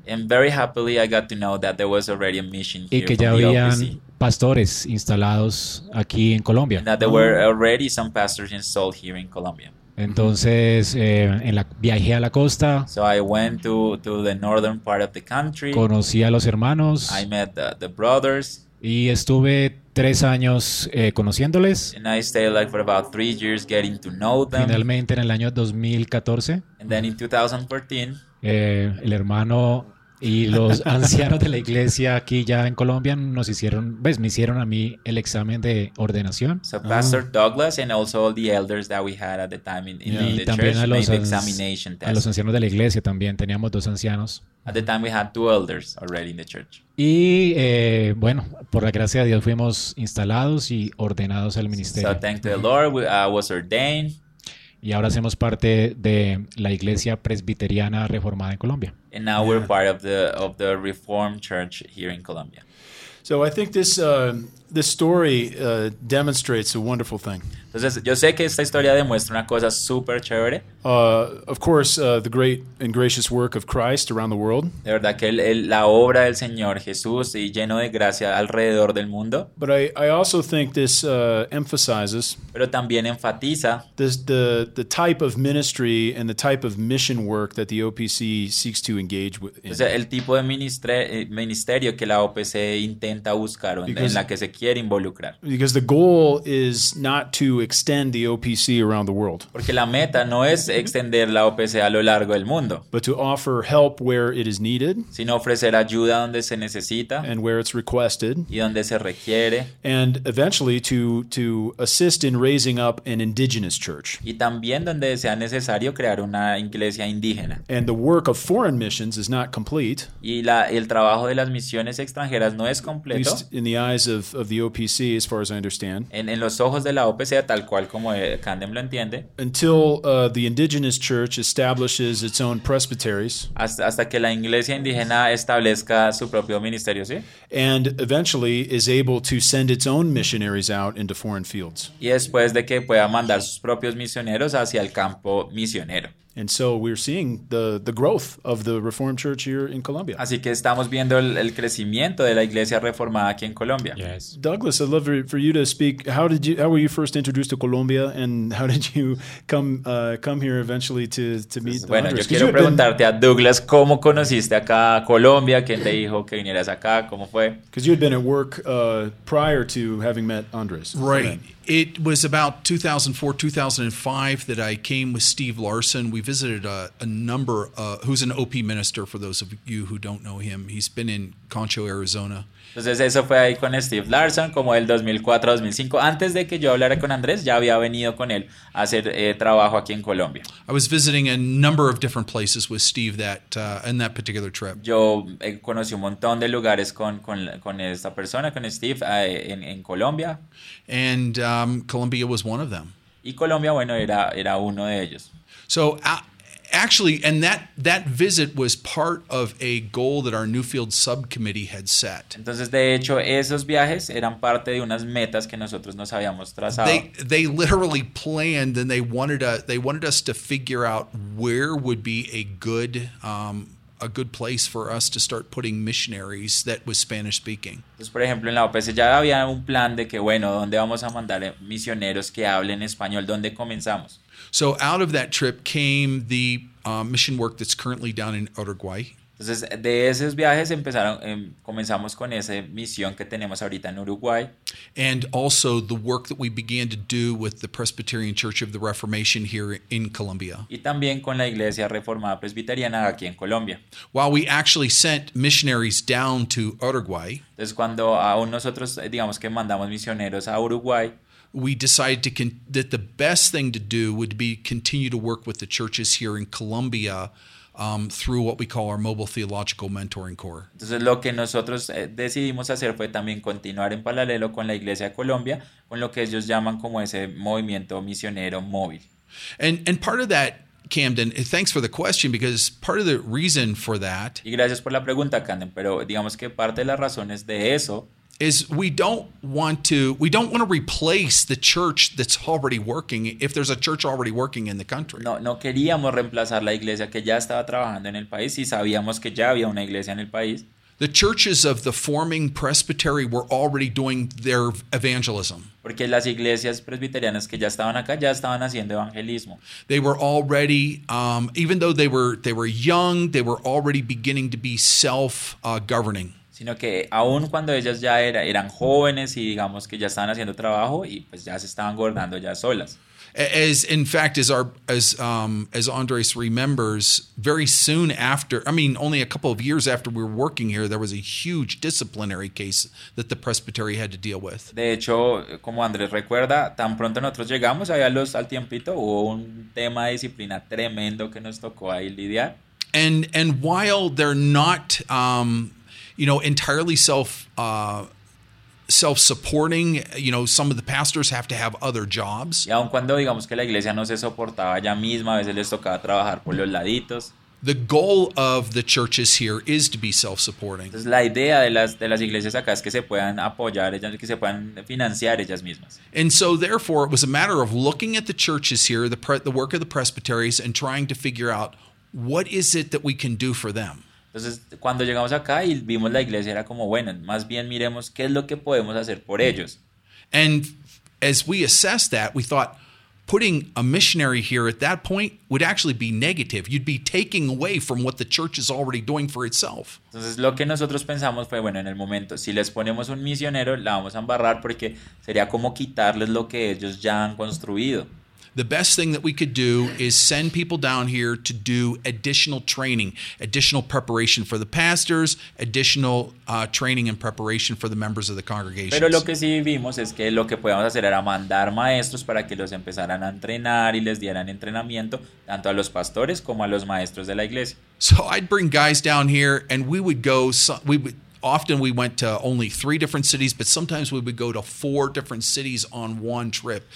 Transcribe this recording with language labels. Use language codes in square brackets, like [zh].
[en] And very happily I got to know that there was already a mission here. [es] Y que ya habían pastores instalados aquí en Colombia. [en] And that there were already some pastors installed here in Colombia. [es] Entonces viajé a la costa. [en] So I went to the northern part of the country. [es] Conocí a los hermanos. [en] I met the brothers. [es] Y estuve 3 años conociéndoles. [en] And I stayed like for about 3 years getting to know them. [es] Finalmente en el año 2014. [en] And then in 2014. [es] El hermano y los ancianos de la iglesia aquí ya en Colombia nos hicieron, ¿ves? Me hicieron a mí el examen de ordenación. [en] So Pastor Douglas and also all the elders that we had at the time in the church made the examination test. [es] A los ancianos de la iglesia también, teníamos 2 ancianos. [en] At the time we had 2 elders already in the church. [es] Y bueno, por la gracia de Dios fuimos instalados y ordenados al ministerio. [en] So thank the Lord, we was ordained. [es] Y ahora hacemos parte de la Iglesia Presbiteriana Reformada en Colombia. [en] And now we're part of the Reformed Church here in Colombia. So I think this story demonstrates a wonderful thing. [es] Entonces, yo sé que esta historia demuestra una cosa súper chévere. [en] Of course, the great and gracious work of Christ around the world. [es] De verdad que la obra del Señor Jesús y lleno de gracia alrededor del mundo. [en] But I also think this emphasizes. [es] Pero también enfatiza. [en] The type of ministry and the type of mission work that the OPC seeks to engage with. [es] O sea, el tipo de ministerio que la OPC intenta buscar o en la que se quiere involucrar. [en] Because the goal is not to extend the OPC around the world. [es] Porque la meta no es extender la OPC a lo largo del mundo. [en] But to offer help where it is needed. [es] Sino ofrecer ayuda donde se necesita. [en] And where it's requested. [es] Y donde se requiere. [en] And eventually to assist in raising up an indigenous church. [es] Y también donde sea necesario crear una iglesia indígena. [en] And the work of foreign missions is not complete. [es] Y el trabajo de las misiones extranjeras no es completo. [en] At least in the eyes of the OPC, as far as I understand. [es] En los ojos de la OPC, tal cual como Candem lo entiende. [en] Until the indigenous church establishes its own presbyteries. [es] Hasta que la iglesia indígena establezca su propio ministerio, ¿sí? [en] And eventually is able to send its own missionaries out into foreign fields. [es] Y después de que pueda mandar sus propios misioneros hacia el campo misionero. [en] And so we're seeing the growth of the Reformed Church here in Colombia. [es] Así que estamos viendo el crecimiento de la Iglesia Reformada aquí en Colombia. [en] Yes. Douglas, I'd love for you to speak. How were you first introduced to Colombia, and how did you come here eventually to meet the [es] Bueno, yo quiero preguntarte a Douglas, ¿cómo conociste acá a Colombia? ¿Quién te dijo que vinieras acá? ¿Cómo fue? [en] Because you had been at work prior to having met Andres. Right. It was about 2004-2005 that I came with Steve Larson. We visited a number, who's an OP minister, for those of you who don't know him. He's been in Concho, Arizona. [es] Entonces eso fue ahí con Steve Larson, como el 2004-2005. Antes de que yo hablara con Andrés, ya había venido con él a hacer trabajo aquí en Colombia. [en] I was visiting a number of different places with Steve in that particular trip. [es] Yo conocí un montón de lugares con esta persona, con Steve, en Colombia. [en] And Colombia was one of them. [es] Y Colombia, bueno, era uno de ellos. [en] So actually, and that visit was part of a goal that our Newfield subcommittee had set. [es] Entonces, de hecho, esos viajes eran parte de unas metas que nosotros nos habíamos trazado. [en] They literally planned, and they wanted us to figure out where would be a good place for us to start putting missionaries that was Spanish speaking. [es] Entonces, por ejemplo, en la OPC ya había un plan de que, bueno, ¿dónde vamos a mandar misioneros que hablen español? ¿Dónde comenzamos? [en] So out of that trip came the mission work that's currently down in Uruguay. [es] Entonces, de esos viajes comenzamos con esa misión que tenemos ahorita en Uruguay. [en] And also the work that we began to do with the Presbyterian Church of the Reformation here in Colombia. [es] Y también con la Iglesia Reformada Presbiteriana aquí en Colombia. [en] While we actually sent missionaries down to Uruguay. [es] Entonces, cuando aún nosotros digamos que mandamos misioneros a Uruguay. [en] We decided that the best thing to do would be continue to work with the churches here in Colombia Through what we call our mobile theological mentoring core. [es] Entonces lo que nosotros decidimos hacer fue también continuar en paralelo con la Iglesia de Colombia con lo que ellos llaman como ese movimiento misionero móvil. [en] And part of that, Camden, thanks for the question, because part of the reason for that. [es] Y gracias por la pregunta, Camden. Pero digamos que parte de las razones de eso. [en] Is we don't want to replace the church that's already working if there's a church already working in the country. [es] No queríamos reemplazar la iglesia que ya estaba trabajando en el país y sabíamos que ya había una iglesia en el país. [en] The churches of the forming presbytery were already doing their evangelism. [es] Porque las iglesias presbiterianas que ya estaban acá ya estaban haciendo evangelismo. [en] They were already, even though they were young, they were already beginning to be self-governing. [es] Sino que aun cuando ellas ya eran jóvenes y digamos que ya estaban haciendo trabajo y pues ya se estaban gobernando ya solas. [en] As Andres remembers, very soon after, I mean, only a couple of years after we were working here, there was a huge disciplinary case that the presbytery had to deal with. [es] De hecho, como Andres recuerda, tan pronto nosotros llegamos, al tiempito, hubo un tema de disciplina tremendo que nos tocó ahí lidiar. [en] And while they're not... entirely self-supporting, some of the pastors have to have other jobs. [es] Y aun cuando digamos que la iglesia no se soportaba ella misma, a veces les tocaba trabajar por los laditos. [en] The goal of the churches here is to be self-supporting. [es] Entonces, la idea de las iglesias acá es que se puedan apoyar ellas, que se puedan financiar ellas mismas. [en] And so therefore it was a matter of looking at the churches here, the work of the presbyteries, and trying to figure out what is it that we can do for them. [es] Entonces, cuando llegamos acá y vimos la iglesia, era como, bueno, más bien miremos qué es lo que podemos hacer por ellos. [en] And as we assessed that, we thought putting a missionary here at that point would actually be negative. You'd be taking away from what the church is already doing for itself. [es] Entonces, lo que nosotros pensamos fue, bueno, en el momento, si les ponemos un misionero, la vamos a embarrar porque sería como quitarles lo que ellos ya han construido. [en] The best thing that we could do is send people down here to do additional training, additional preparation for the pastors, additional training and preparation for the members of the congregations. [es] Pero lo que sí vimos es que lo que podíamos hacer era mandar maestros para que los empezaran a entrenar y les dieran entrenamiento tanto a los pastores como a los maestros de la iglesia. [en] So I'd bring guys down here and we would go, often we went to only 3 different cities, but sometimes we would go to 4 different cities on one trip.